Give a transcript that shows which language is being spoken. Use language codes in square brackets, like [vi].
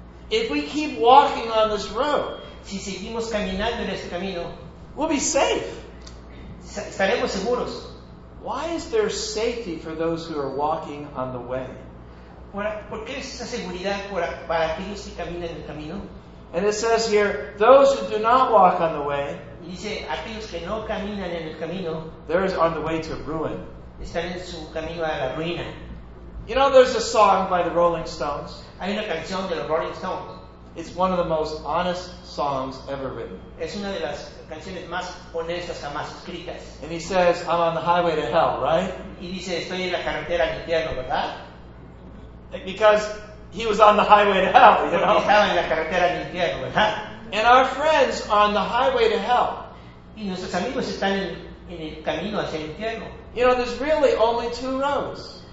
[en] If we keep walking on this road, [es] si seguimos caminando en este camino, [en] we'll be safe. [es] Estaremos seguros. [en] Why is there safety for those who are walking on the way? [es] ¿Por qué es esa seguridad para aquellos que caminan en el camino? [en] And it says here, those who do not walk on the way, [es] y dice, aquellos que no caminan en el camino, [en] they're on the way to ruin. [es] Están en su camino a la ruina. [en] You know, there's a song by the Rolling Stones. [es] Hay una canción de los Rolling Stones. [en] It's one of the most honest songs ever written. [es] Es una de las canciones más honestas jamás escritas. [en] And he says, I'm on the highway to hell, right? [es] Y dice, estoy en la carretera al infierno, ¿verdad? [en] Because he was on the highway to hell, you know? [es] Porque estaba en la carretera al infierno, ¿verdad? [en] And our friends are on the highway to hell. [es] Y nuestros amigos están en el camino hacia el infierno. [en] You know, there's really only two roads.